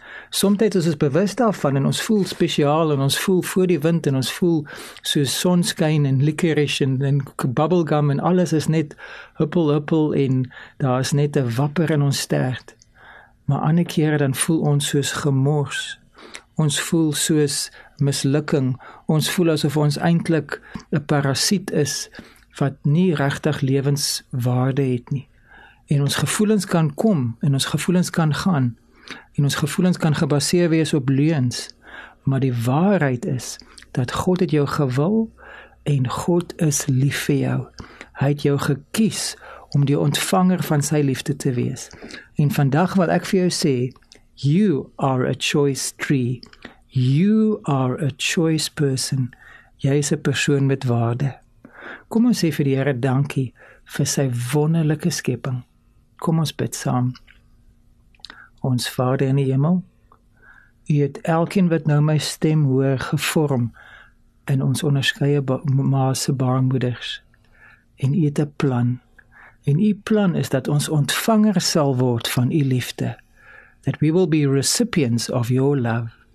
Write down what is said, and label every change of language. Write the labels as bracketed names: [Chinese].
[Afrikaans] Somtijds is ons bewust daarvan en ons voel spesiaal en ons voel voor die wind en ons voel soos sonskyn en licorice en bubblegum en alles is net huppel huppel en daar is net 'n wapper in ons stert. Maar ander kere dan voel ons soos gemors. Ons voel soos mislukking. Ons voel asof ons eintlik 'n parasiet is wat nie regtig lewenswaarde het nie. En ons gevoelens kan kom en ons gevoelens kan gaan. En ons gevoelens kan gebaseer wees op leuns, maar die waarheid is dat God het jou gewil en God is lief vir jou. Hy het jou gekies om die ontvanger van sy liefde te wees. En vandag wil ek vir jou sê, [English] you are a choice tree. You are a choice person. [Afrikaans] Jy is 'n persoon met waarde. Kom ons sê vir die Here dankie vir sy wonderlike skepping. Kom ons bid saam. Ons Vader in die hemel, U het elkeen wat nou my stem hoor gevorm in ons onderskeie ma se baarmoeders. En U het 'n plan. En U plan is dat ons ontvanger sal word van U liefde. [English] That we will be recipients of your love.